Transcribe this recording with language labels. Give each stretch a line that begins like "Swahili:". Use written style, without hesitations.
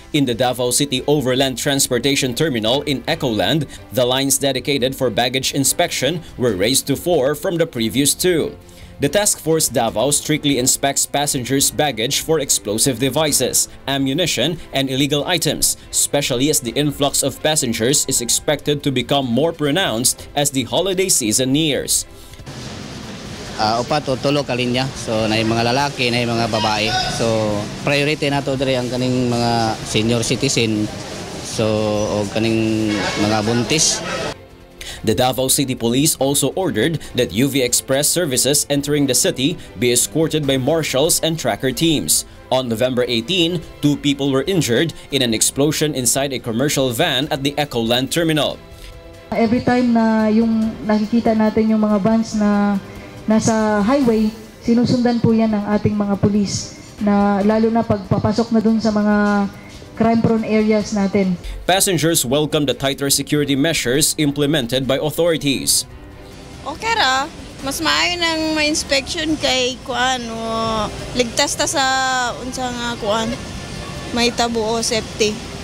English: In the Davao City Overland Transportation Terminal in Ecoland, the lines dedicated for baggage inspection were raised to 4 from the previous 2. The Task Force Davao strictly inspects passengers' baggage for explosive devices, ammunition, and illegal items, especially as the influx of passengers is expected to become more pronounced as the holiday season nears.
Cebuano: Upat o tulo ka linya, so naay mga lalaki, naay mga babae. So priority na to diri ang kaning mga senior citizen, so o kaning mga buntis.
English: The Davao City Police also ordered that UV Express services entering the city be escorted by marshals and tracker teams. On November 18, 2 people were injured in an explosion inside a commercial van at the Ecoland Terminal. Every time
Filipino: na yung nakikita natin yung mga vans na nasa highway, sinusundan po yan ng ating mga police, na lalo na pagpapasok na dun sa mga crime-prone areas natin.
English: Passengers welcome the tighter security measures implemented by authorities.
Cebuano: Okay ra. Mas maayo nang ma-inspection kay kuan o ligtas ta sa unsang kuan may tabo o safety.